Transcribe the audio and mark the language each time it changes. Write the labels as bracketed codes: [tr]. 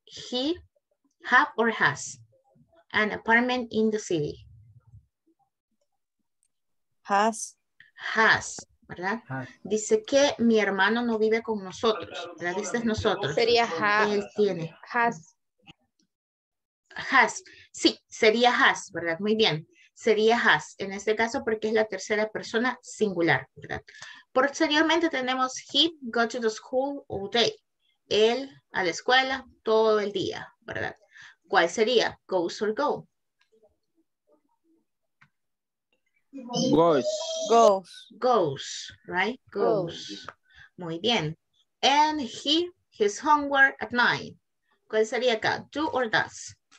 [en] He have or has an apartment in the city. Has. Has, ¿verdad? Has. [es] Dice que mi hermano no vive con nosotros, ¿verdad? Este es nosotros. Sería has. Él tiene. [en] Has. [es] Has. Sí, sería has, ¿verdad? Muy bien. Sería has. En este caso porque es la tercera persona singular, ¿verdad? Posteriormente tenemos [en] he go to the school all day. [es] Él a la escuela todo el día, ¿verdad? ¿Cuál sería? [en] Goes or go? Goes. Goes. Goes, right? Goes. [es] Muy bien. [en] And he, his homework at night. [es] ¿Cuál sería acá? [en] Do or does?